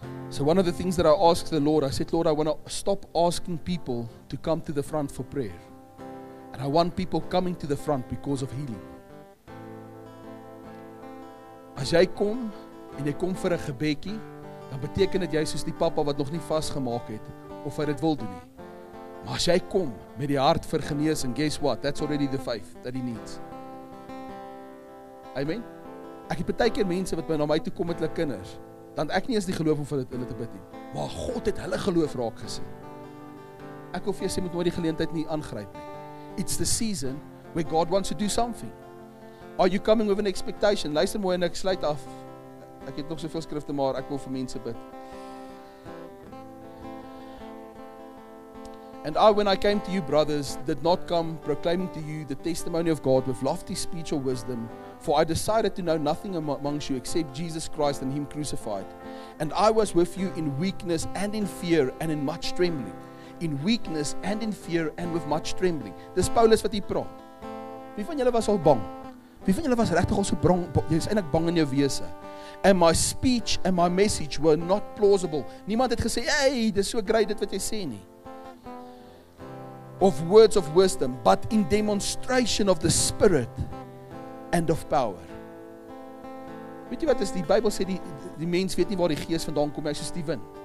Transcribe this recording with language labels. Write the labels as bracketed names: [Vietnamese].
[English] So one of the things that I asked the Lord, I said, Lord, I want to stop asking people to come to the front for prayer. And I want people coming to the front because of healing. [Afrikaans] As jy kom en jy kom vir 'n gebedjie, dan beteken dit jy soos die pappa wat nog nie vasgemaak het of hy dit wil doen nie. Maar as jy kom met die hart vir genesing, [English] guess what? That's already the faith that he needs. Amen. [Afrikaans] Ek het baie keer mense wat na my toe kom met hulle kinders, dan ek nie eens die geloof om vir hulle te bid nie. Maar God het hulle geloof raak gesien. Ek hoef jy sê moet nooit die geleentheid nie aangryp nie. [English] It's the season where God wants to do something. Are you coming with an expectation? [Afrikaans] Luister mooi en ek sluit af. Ek het nog soveel skrifte, maar ek wil vir mense bid. [English] And I, when I came to you, brothers, did not come proclaiming to you the testimony of God with lofty speech or wisdom, for I decided to know nothing amongst you except Jesus Christ and Him crucified. And I was with you in weakness and in fear and in much trembling. In weakness and in fear and with much trembling. [Afrikaans] Dis Paulus wat hier praat. Wie van julle was al bang? Wie van julle was regtig al so bang? Jy is eintlik bang in jou wese. [English] And my speech and my message were not plausible. [Afrikaans] Niemand het gesê, hey, dis [English] so great [Afrikaans] dit wat jy sê nie. [English] Of words of wisdom, but in demonstration of the Spirit and of power. [Afrikaans] Weet jy wat is, die Bybel sê die mens weet nie waar die gees vandaan kom, hy soos die wind.